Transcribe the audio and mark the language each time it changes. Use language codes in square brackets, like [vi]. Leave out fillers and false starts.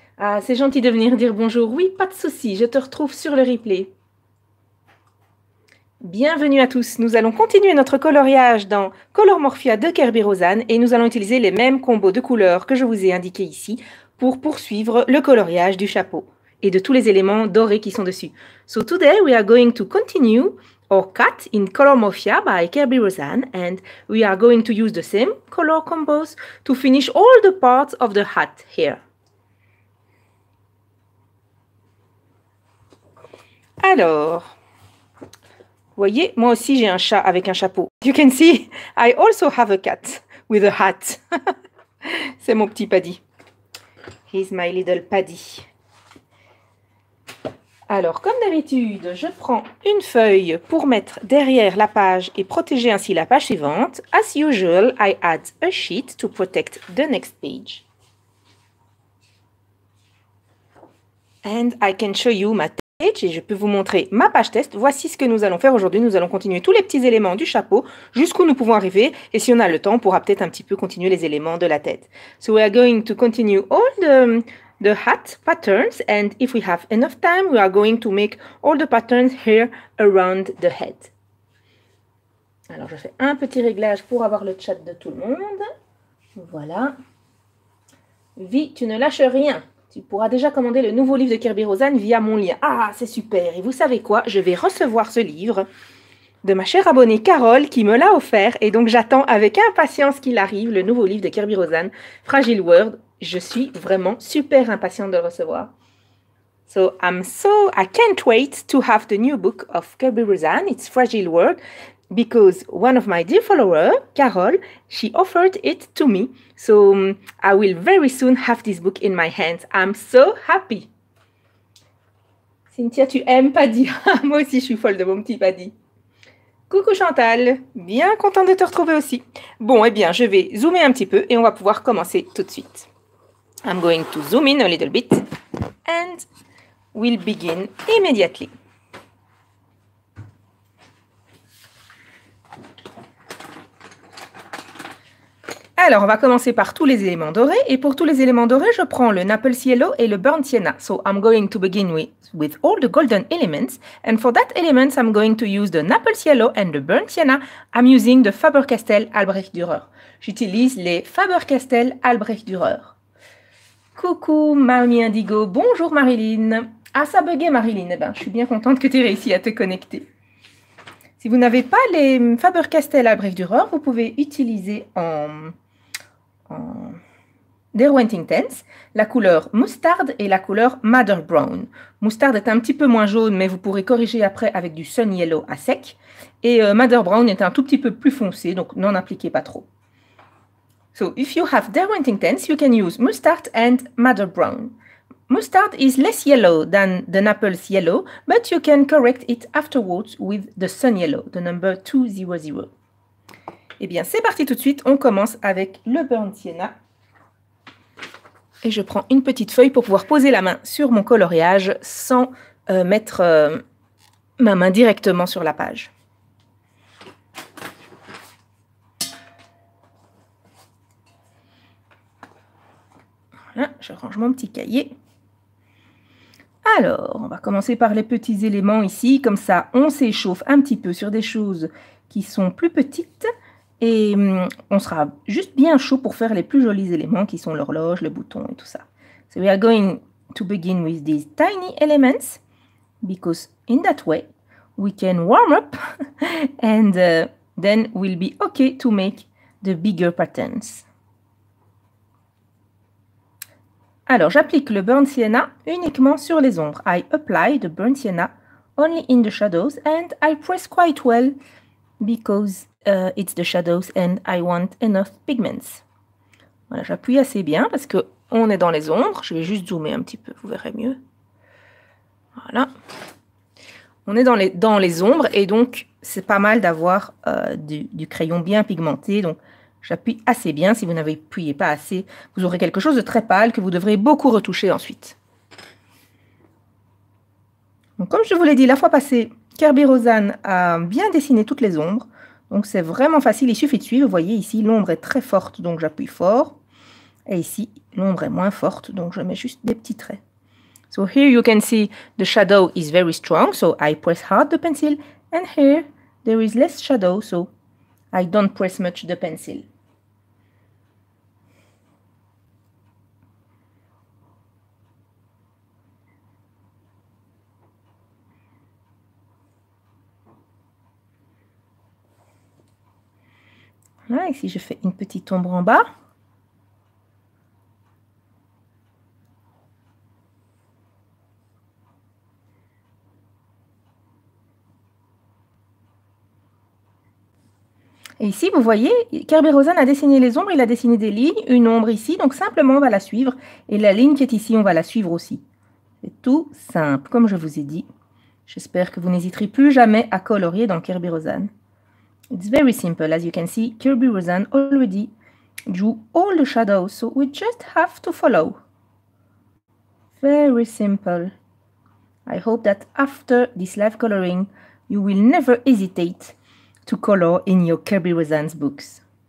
[fr] Ah, c'est gentil de venir dire bonjour. Oui, pas de souci, je te retrouve sur le replay. Bienvenue à tous, nous allons continuer notre coloriage dans Color Morphia de Kerby Rosanne et nous allons utiliser les mêmes combos de couleurs que je vous ai indiqués ici pour poursuivre le coloriage du chapeau et de tous les éléments dorés qui sont dessus. [en] So today we are going to continue or cut in Color Morphia by Kerby Rosanne, and we are going to use the same color combos to finish all the parts of the hat here. [fr] Alors, voyez, moi aussi j'ai un chat avec un chapeau. [en] You can see, I also have a cat with a hat. [fr] C'est mon petit Paddy. [en] He's my little Paddy. [fr] Alors, comme d'habitude, je prends une feuille pour mettre derrière la page et protéger ainsi la page suivante. [en] As usual, I add a sheet to protect the next page. And I can show you my page [fr] et je peux vous montrer ma page test. Voici ce que nous allons faire aujourd'hui. Nous allons continuer tous les petits éléments du chapeau jusqu'où nous pouvons arriver. Et si on a le temps, on pourra peut-être un petit peu continuer les éléments de la tête. So we are going to continue all the hat patterns, and if we have enough time, we are going to make all the patterns here around the head. Alors, je fais un petit réglage pour avoir le chat de tout le monde. Voilà. Vi, tu ne lâches rien. Tu pourras déjà commander le nouveau livre de Kerby Rosanne via mon lien. Ah, c'est super. Et vous savez quoi? Je vais recevoir ce livre de ma chère abonnée Carole qui me l'a offert. Et donc, j'attends avec impatience qu'il arrive, le nouveau livre de Kerby Rosanne, Fragile World. Je suis vraiment super impatiente de le recevoir. [en] So, I can't wait to have the new book of Kerby Rosanne, It's Fragile World, because one of my dear followers, Carole, she offered it to me. So, I will very soon have this book in my hands. I'm so happy. Cynthia, [fr] tu aimes Paddy? Moi aussi, je suis folle de mon petit Paddy. Coucou Chantal, bien contente de te retrouver aussi. Bon, eh bien, je vais zoomer un petit peu et on va pouvoir commencer tout de suite. [en] I'm going to zoom in a little bit and we'll begin immediately. [fr] Alors, on va commencer par tous les éléments dorés. Et pour tous les éléments dorés, je prends le Naples Yellow et le Burnt Sienna. [en] So, I'm going to begin with all the golden elements. And for that elements, I'm going to use the Naples Yellow and the Burnt Sienna. I'm using the Faber-Castell Albrecht Dürer. [fr] J'utilise les Faber-Castell Albrecht Dürer. Coucou Mamie Indigo, bonjour Marilyn. Ah, ça buguait Marilyn, eh ben, je suis bien contente que tu aies réussi à te connecter. Si vous n'avez pas les Faber-Castell Albrecht Dürer, vous pouvez utiliser en Derwentine Tense la couleur moustarde et la couleur Madder Brown. Moustarde est un petit peu moins jaune, mais vous pourrez corriger après avec du Sun Yellow à sec. Et Madder Brown est un tout petit peu plus foncé, donc n'en appliquez pas trop. [en] So, if you have Derwentine Tense, you can use Mustard and Madder Brown. Mustard is less yellow than the Naples Yellow, but you can correct it afterwards with the Sun Yellow, the number 200. [fr] Eh bien, c'est parti tout de suite. On commence avec le Burnt Sienna. Et je prends une petite feuille pour pouvoir poser la main sur mon coloriage sans mettre ma main directement sur la page. Je range mon petit cahier. Alors, on va commencer par les petits éléments ici. Comme ça, on s'échauffe un petit peu sur des choses qui sont plus petites. Et on sera juste bien chaud pour faire les plus jolis éléments qui sont l'horloge, le bouton et tout ça. [en] So we are going to begin with these tiny elements. Because in that way, we can warm up. And then we'll be okay to make the bigger patterns. [fr] Alors, j'applique le Burnt Sienna uniquement sur les ombres. [en] I apply the Burnt Sienna only in the shadows and I press quite well Because it's the shadows and I want enough pigments. [fr] Voilà, j'appuie assez bien parce que on est dans les ombres. Je vais juste zoomer un petit peu, vous verrez mieux. Voilà. On est dans les ombres et donc c'est pas mal d'avoir du crayon bien pigmenté. Donc j'appuie assez bien. Si vous n'appuyez pas assez, vous aurez quelque chose de très pâle que vous devrez beaucoup retoucher ensuite. Donc, comme je vous l'ai dit la fois passée, Kirby Roseanne a bien dessiné toutes les ombres. Donc c'est vraiment facile, il suffit de suivre. Vous voyez ici, l'ombre est très forte, donc j'appuie fort. Et ici, l'ombre est moins forte, donc je mets juste des petits traits. [en] So here you can see the shadow is very strong, so I press hard the pencil. And here, there is less shadow, so I don't press much the pencil. [fr] Là, ici, je fais une petite ombre en bas. Et ici, vous voyez, Kirby Roseanne a dessiné les ombres, il a dessiné des lignes, une ombre ici, donc simplement, on va la suivre. Et la ligne qui est ici, on va la suivre aussi. C'est tout simple, comme je vous ai dit. J'espère que vous n'hésiterez plus jamais à colorier dans Kirby Roseanne. [en] It's very simple, as you can see, Kirby Roseanne already drew all the shadows, so we just have to follow. Very simple. I hope that after this live coloring, you will never hesitate to color in your Kirby Roseanne's books.